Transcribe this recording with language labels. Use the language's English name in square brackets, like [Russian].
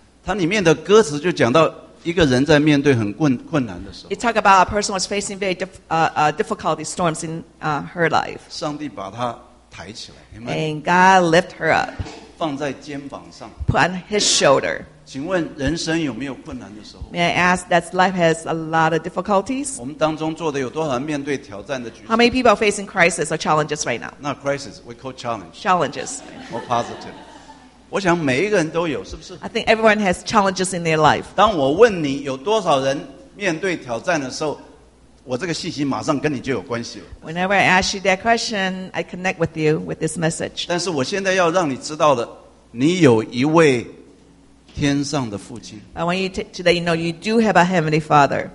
[Chinese] 它里面的歌词就讲到一个人在面对很困难的时候。 [English] It talks about a person was facing very difficult storms in her life. [Chinese] 上帝把她抬起来, [English] and God lift her up. [Chinese] 放在肩膀上, [English] put on his shoulder. [Chinese] 请问人生有没有困难的时候? [English] May I ask, that life has a lot of difficulties? [Chinese] 我们当中做的有多少人面对挑战的举措? [English] How many people are facing crisis or challenges right now? Not crisis, we call challenge. Challenges. More positive. [Chinese] 我想每一个人都有, [English] I think everyone has challenges in their life. [Chinese] 当我问你有多少人面对挑战的时候, 我这个信息马上跟你就有关系了。 [English] Whenever I ask you that question, I connect with you with this message. [Chinese] 但是我现在要让你知道的, 你有一位天上的父亲。 [English] I want you to let you know you do have a heavenly father.